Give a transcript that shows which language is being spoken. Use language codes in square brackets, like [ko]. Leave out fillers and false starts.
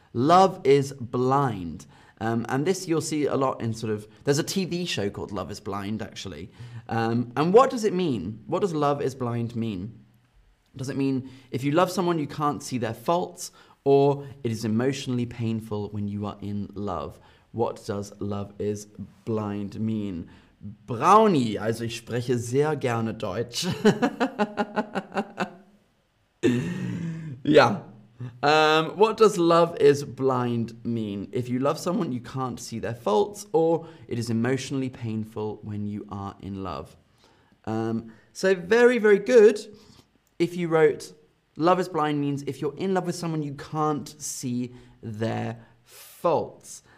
[en] Love is blind. And this you'll see a lot in sort of, there's a TV show called Love is Blind, actually. And what does it mean? What does love is blind mean? Does it mean if you love someone, you can't see their faults? Or it is emotionally painful when you are in love. What does love is blind mean? [de] Brownie, also ich spreche sehr gerne Deutsch. [en] Yeah. What does love is blind mean? If you love someone, you can't see their faults, or it is emotionally painful when you are in love. So very, very good if you wrote, love is blind means if you're in love with someone, you can't see their faults.